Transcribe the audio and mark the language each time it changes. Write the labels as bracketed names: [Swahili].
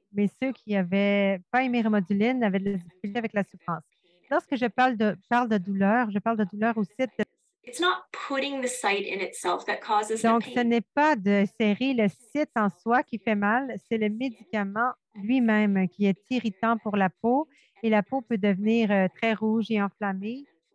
[French] Mais ceux qui n'avaient pas aimé remoduline avaient de la difficulté avec la souffrance. Lorsque je parle de douleur, je parle de douleur au site. [English] It's not putting the site in itself that causes the pain. [French] Donc, ce n'est pas de serrer le site en soi qui fait mal, c'est le médicament lui-même qui est irritant pour la peau et la peau peut devenir très rouge et enflammée.